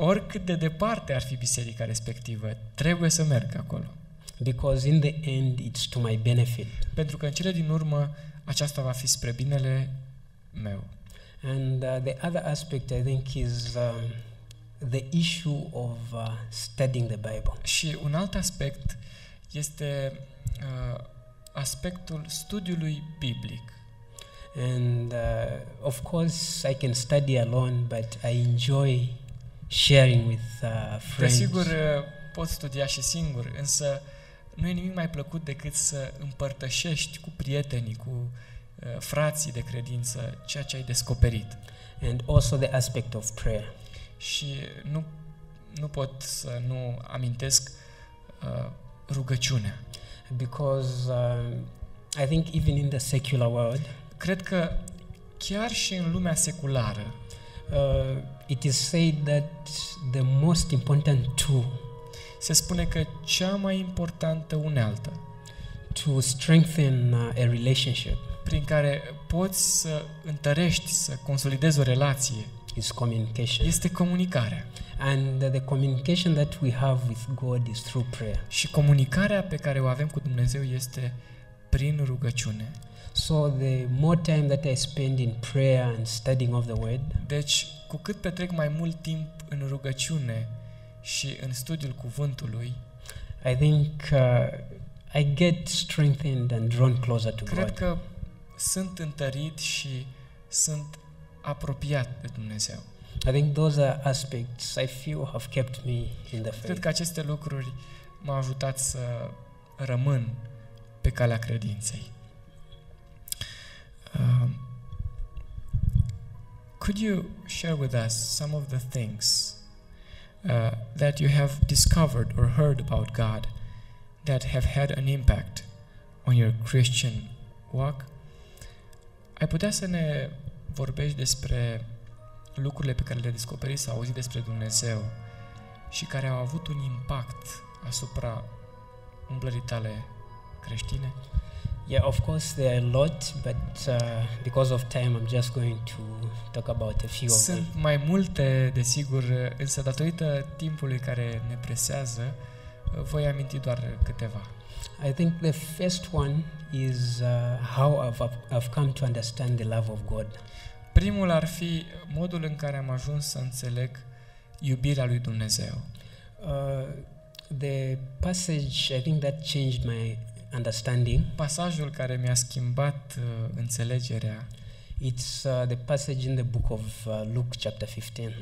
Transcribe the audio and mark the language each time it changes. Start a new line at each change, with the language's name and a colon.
Romanian: Oricât de departe ar fi biserica respectivă, trebuie să merg acolo.
English: Because in the end, it's to my benefit.
Romanian: Pentru că în cele din urmă, aceasta va fi spre binele meu.
English: And the other aspect, I think, is the issue of studying the Bible.
Romanian: Și un alt aspect este aspectul studiului biblic.
English: And of course I can study alone, but I enjoy sharing with friends.
Romanian: Desigur pot studia și singur, însă nu e nimic mai plăcut decât să împărtășești cu prietenii, cu frații de credință ceea ce ai descoperit.
English: And also the aspect of prayer.
Romanian: Și nu pot să nu amintesc rugăciunea.
English: Because I think even in the secular world,
Romanian: cred că chiar și în lumea seculară,
English: it is said that the most important tool,
Romanian: se spune că cea mai importantă unealtă,
English: to strengthen a relationship,
Romanian: prin care poți să întărești, să consolidezi o relație,
English: is communication.
Romanian: Este comunicarea.
English: And the communication that we have with God is through prayer.
Romanian: Și comunicarea pe care o avem cu Dumnezeu este prin rugăciune.
English: So the more time that I spend in prayer and studying of the word,
Romanian: deci cu cât petrec mai mult timp în rugăciune și în studiul cuvântului,
English: I think I get strengthened and drawn closer to God.
Romanian: Cred că sunt întărit și sunt apropiat de Dumnezeu.
English: I think those are aspects I feel have kept me in the faith.
Romanian: Cred că aceste lucruri m-au ajutat să rămân pe calea credinței.
English: Could you share with us some of the things that you have discovered or heard about God that have had an impact on your Christian walk?
Romanian: Ai putea să ne vorbești despre lucrurile pe care le-ai descoperit sau auzit despre Dumnezeu și care au avut un impact asupra umblării tale creștine?
English: Yeah, of course there are a lot, but because of time I'm just going to talk about a few.
Romanian: Sunt mai multe, desigur, însă datorită timpului care ne presează, voi aminti doar câteva.
English: I think the first one is how I've come to understand the love of God.
Romanian: Primul ar fi modul în care am ajuns să înțeleg iubirea lui Dumnezeu.
English: The passage I think that changed my understanding.
Romanian: Pasajul care mi-a schimbat înțelegerea.
English: It's the passage in the book of Luke chapter 15.